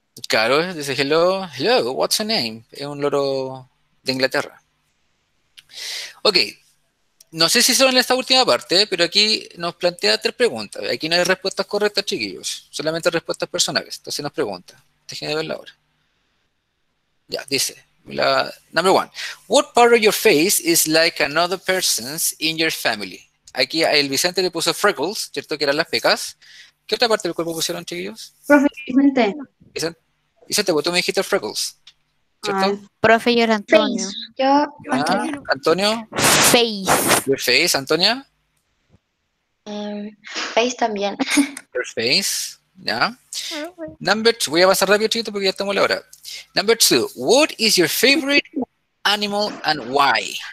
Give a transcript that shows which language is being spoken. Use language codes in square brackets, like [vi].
[es] Claro, dice [en] hello, hello, what's your name? [es] Es un loro de Inglaterra. Ok, no sé si son en esta última parte, pero aquí nos plantea tres preguntas. Aquí no hay respuestas correctas, chiquillos, solamente respuestas personales. Entonces nos pregunta, déjenme verla ahora. Ya, dice, la, [en] number one, what part of your face is like another person's in your family? [es] Aquí el Vicente le puso freckles, ¿cierto? Que eran las pecas. ¿Qué otra parte del cuerpo pusieron, chiquillos? Profe, Vicente. Vicente, vos tú me dijiste freckles. ¿Cierto? Profe, yo era Antonio. Yo, Antonio. [en] Face. Your face, Antonia. [es] Face también. [en] Your face, ya. Yeah. Number two, [es] voy a pasar rápido, chiquito, porque ya estamos la hora. [en] Number two, what is your favorite animal and why?